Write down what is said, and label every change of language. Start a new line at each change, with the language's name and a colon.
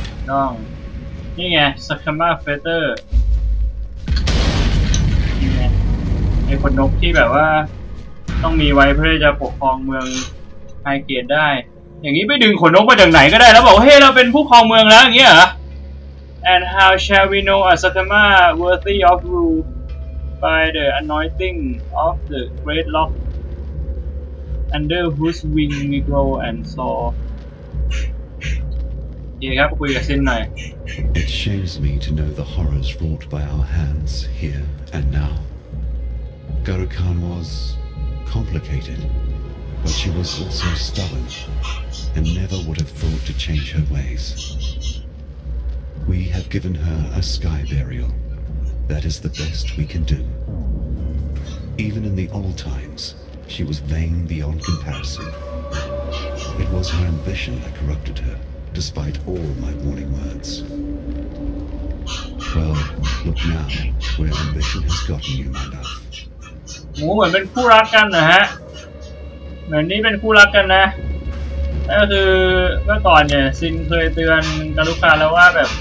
Thai: น้องนี่ไงสคัมมาเฟเตอร์ไอ้คนนกที่แบบว่าต้องมีไว้เพื่อจะปกครองเมืองไฮเกียร์ได้อย่างนี้ไปดึงคนนกมาจากไหนก็ได้แล้วบอกเฮ้ยเราเป็นผู้ครองเมืองแล้วอย่างเงี้ยเหรอ
English: and how shall we know a sakama worthy of rule by the anointing of the great lock under whose wing we grow and soar It shames me to know the horrors wrought by our hands here and now. Garukhan was complicated, but she was also stubborn and never would have thought to change her ways. We have given her a sky burial. That is the best we can do. Even in the old times, she was vain beyond comparison. It was her ambition that corrupted her. Despite all my warning words. Well, look now where ambition has gotten you, my love.
Thai: หมูเหมือนเป็นคู่รักกันนะฮะเหมือนนี่เป็นคู่รักกันนะก็คือเมื่อก่อนเนี่ยซินเคยเตือนกาลุคานแล้วว่าแบ